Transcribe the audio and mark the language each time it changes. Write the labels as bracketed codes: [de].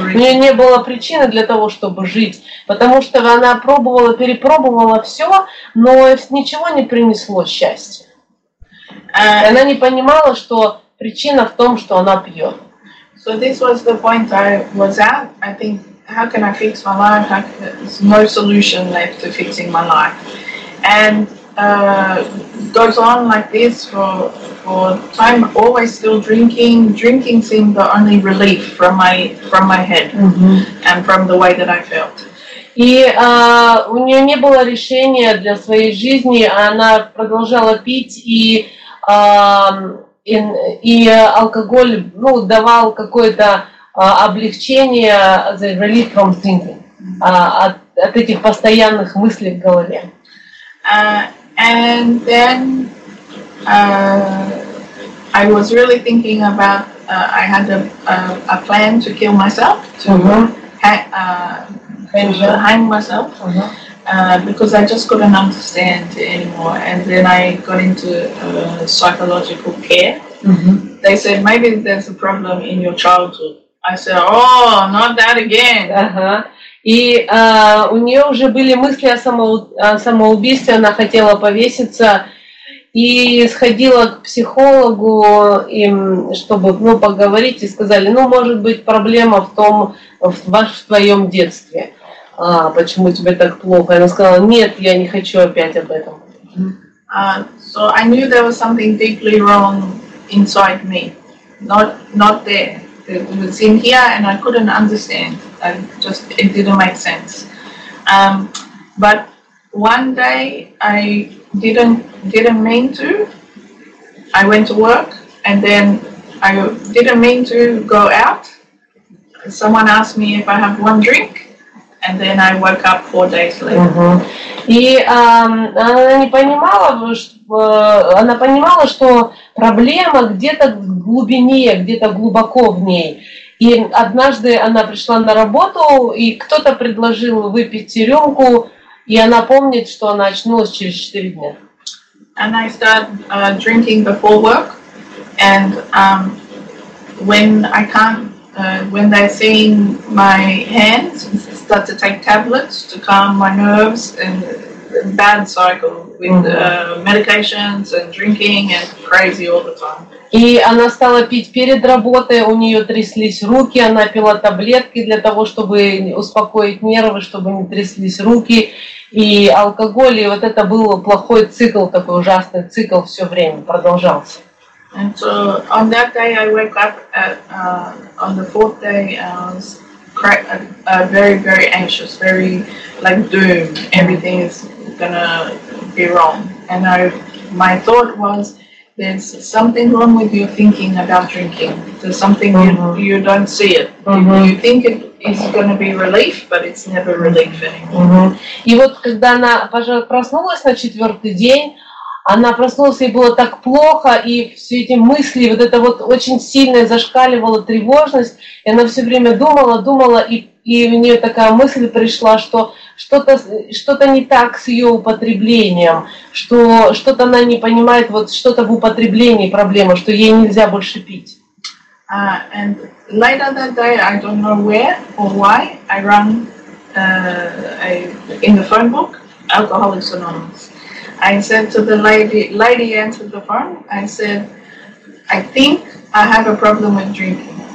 [ru] У нее не было причины для того, чтобы жить, потому что она пробовала, перепробовала все, но ничего не принесло счастья. Она не понимала, что причина в том, что она пьет. [en] So this was the point I was at. I think, how can I fix my life? There's no solution left to fixing my life. And goes on like this for time, always still drinking seemed the only relief from my head, mm-hmm. and from the way that I felt. [ru] И у нее не было решения для своей жизни, она продолжала пить, и алкоголь давал какое-то облегчение, [en] the relief from thinking, [ru] от этих постоянных мыслей в голове. [en] And then I was really thinking about, I had a plan to kill myself, to hang myself, because I just couldn't understand anymore. And then I got into psychological care. Mm-hmm. They said, maybe there's a problem in your childhood. I said, oh, not that again. Uh-huh. [ru] И у нее уже были мысли о самоубийстве, она хотела повеситься и сходила к психологу, чтобы поговорить, и сказали, может быть, проблема в твоем детстве, почему тебе так плохо. И она сказала, нет, я не хочу опять об этом. [en] So I knew there was something deeply wrong inside me, not there. It was in here, and I couldn't understand. It didn't make sense. But one day, I didn't mean to. I went to work, and then I didn't mean to go out. Someone asked me if I have one drink, and then I woke up 4 days later. [ru] И она не понимала, она понимала, что проблема где-то в глубине, где-то глубоко в ней. И однажды она пришла на работу, и кто-то предложил выпить рюмку, И она помнит, что она очнулась через 4 дня. [en] And I start drinking before work, and when I can't, when they're seeing my hands, I start to take tablets to calm my nerves and bad cycle with medications and drinking and crazy all the time. [ru] И она стала пить перед работой, у нее тряслись руки, она пила таблетки для того, чтобы успокоить нервы, чтобы не тряслись руки, и алкоголь, и вот это был плохой цикл, такой ужасный цикл все время продолжался. [en] And so on that day I woke up at, on the fourth day, I was very, very anxious, very like doom, everything is gonna be wrong. And I, my thought was, there's something wrong with your thinking about drinking. There's something you don't see it. You think it is going to be relief, but it's never relief anymore. [ru] И вот когда она проснулась на четвертый день, она проснулась, ей было так плохо, и все эти мысли, вот это вот очень сильно зашкаливала тревожность, и она все время думала, думала, и у нее такая мысль пришла, что что-то не так с ее употреблением, что что-то она не понимает, вот что-то в употреблении проблема, что ей нельзя больше пить. [en] And later that day, I don't know where or why, I run in the phone book, Alcoholics Anonymous. I said to the lady answered the phone, I said, I think I have a problem with drinking.